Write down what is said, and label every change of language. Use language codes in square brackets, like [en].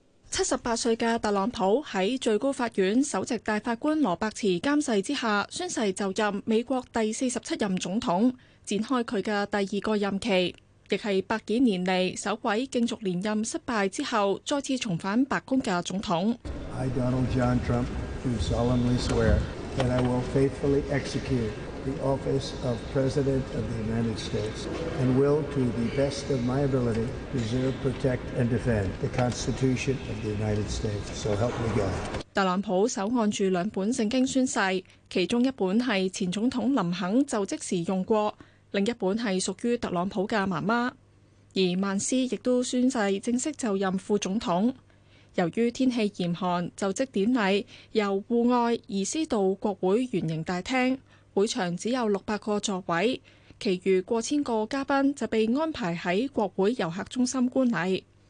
[yue] 78岁的特朗普在最高法院首席大法官罗伯茨监誓之下宣誓就任美国第47任总统，展开他的第二个任期，亦是百几年来首位竞逐连任失败之后再次重返白宫的总统。 [en] I, Donald John Trump, do solemnly swear that I will faithfully execute the office of President of the United States and will, to the best of my ability, preserve, protect, and defend the Constitution of the United States. So help me God. [yue] 特朗普手按住两本圣经宣誓，其中一本是前总统林肯就职时用过，另一本是属于特朗普的妈妈。而曼斯亦都宣誓正式就任副总统。由于天气严寒，就职典礼由户外移师到国会圆形大厅，会场只有600个座位，其余过千个嘉宾就被安排在国会游客中心观礼。